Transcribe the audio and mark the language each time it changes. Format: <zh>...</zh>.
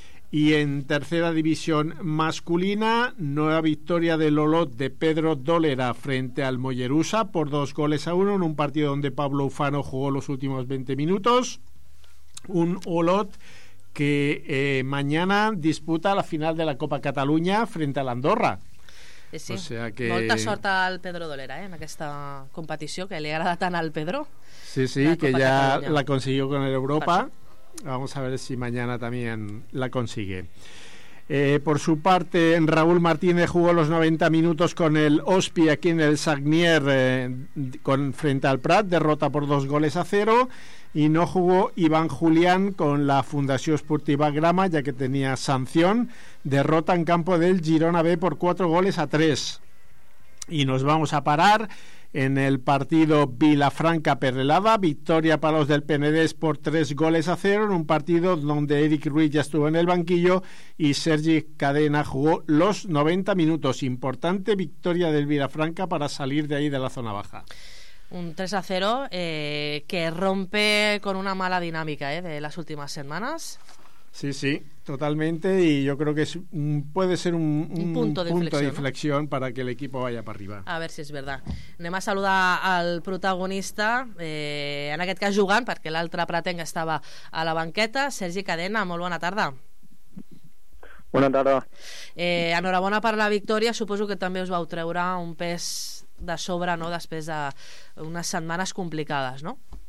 <es>Y en tercera división masculina, nueva victoria del Olot de Pedro Dólera frente al Mollerussa por 2-1 en un partido donde Pablo Ufano jugó los últimos 20 minutos. Un Olot que mañana disputa la final de la Copa Cataluña frente a l'Andorra. Sí, sí. O sea que...</es> <ca>Molta sort al Pedro Dolera, en aquesta competició, que li agrada tant al Pedro.</ca> <es>Sí, sí, que ja la consiguió con el Europa. Vamos a ver si mañana también la consigue. Por su parte, Raúl Martínez jugó los 90 minutos con el Ospi aquí en el Sagnier frente al Prat, derrota por 2-0. Y no jugó Iván Julián con la Fundación Esportiva Grama, ya que tenía sanción. Derrota en campo del Girona B por 4-3. Y nos vamos a parar en el partido Vilafranca-Perrelada. Victoria para los del Penedès por 3-0. En un partido donde Eric Ruiz ya estuvo en el banquillo y Sergi Cadena jugó los 90 minutos. Importante victoria del Vilafranca para salir de ahí de la zona baja. Un 3-0 que rompe con una mala dinámica de las últimas semanas. Sí, sí, totalmente. Y yo creo que puede ser un punto de inflexión, ¿no? Para que el equipo vaya para arriba. A ver si es verdad.</es> <ca>Anem a saludar al protagonista, en aquest cas jugant, perquè l'altre pretenc estava a la banqueta. Sergi Cadena, molt bona tarda. Bona tarda. Enhorabona per la victòria. Suposo que també us vau treure un pes de sobre, no?, després d'unes setmanes complicades, no?</ca>